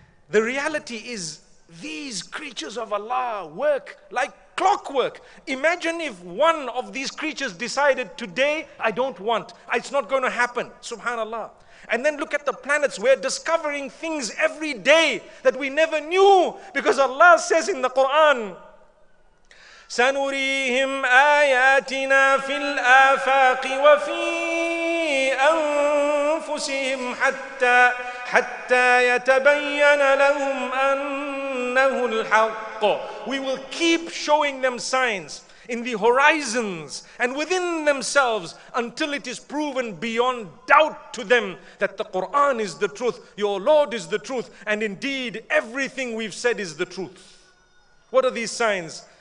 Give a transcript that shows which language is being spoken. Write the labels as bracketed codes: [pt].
[en] The reality is these creatures of Allah work like clockwork. Imagine if one of these creatures decided today, I don't want. It's not going to happen. Subhanallah. And then look at the planets. We're discovering things every day that we never knew. Because Allah says in the Quran, [ar] سَنُرِيهِمْ آيَاتِنَا فِي الْآفَاقِ وَفِي أَنفُسِهِمْ حَتَّى يَتَبَيَّنَ لَهُمْ أَنَّهُ الْحَقُّ. [en] We will keep showing them signs in the horizons and within themselves until it is proven beyond doubt to them that the Quran is the truth, your Lord is the truth, and indeed everything we've said is the truth. What are these signs?